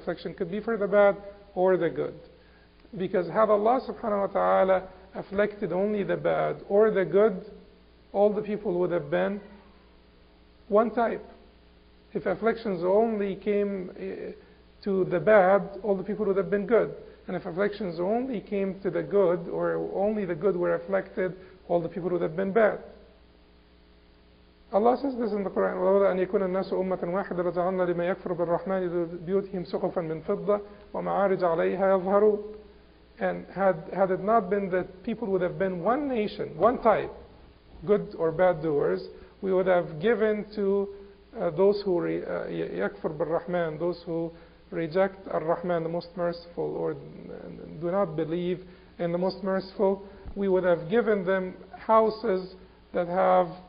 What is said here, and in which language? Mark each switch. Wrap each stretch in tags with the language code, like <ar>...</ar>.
<en>Affliction could be for the bad or the good. Because had Allah subhanahu wa ta'ala afflicted only the bad or the good, all the people would have been one type. If afflictions only came to the bad, all the people would have been good. And if afflictions only came to the good, or only the good were afflicted, all the people would have been bad. Allah says this in the Quran,</en> <ar>ولولا أن يكون الناس أمة واحدة لجعلنا لما يكفر بالرحمن بيوتهم سقفا من فضة ومعارج عليها يظهرون.</ar> <en>And had it not been that people would have been one nation, one type, good or bad doers, we would have given to those who</en> <ar>يكفر بالرحمن,</ar> <en>those who reject الرحمن, the most merciful, or do not believe in the most merciful, we would have given them houses that have</en>